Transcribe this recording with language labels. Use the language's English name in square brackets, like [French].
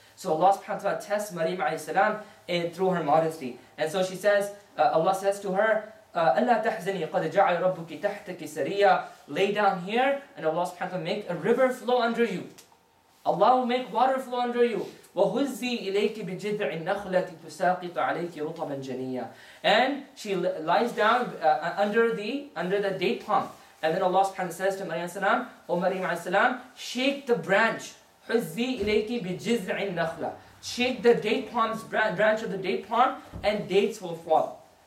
[English] So Allah subhanahu wa ta'ala tests Maryam alayhi salam through her modesty. And so she says, Allah says to her, [Arabic] أَلَّا تَحْزَنِي قَدْ جَعَلْ رَبُّكِ تَحْتَكِ سَرِيَّا. [English] Lay down here, and Allah subhanahu wa ta'ala make a river flow under you. Allah will make water flow under you. [Arabic] وهزي إليك بجذع النخلة تساقط عليك رطبا جنيا. [English] And she lies down under the date palm. And then Allah subhanahu wa ta'ala says to Maryam salam, O Maryam alayhi salam, shake the branch. [Arabic] حُزِّي إِلَيْكِ بِجِزْعِ النَّخْلَةِ. [English] Shake the date palm's branch of the date palm, and dates will fall.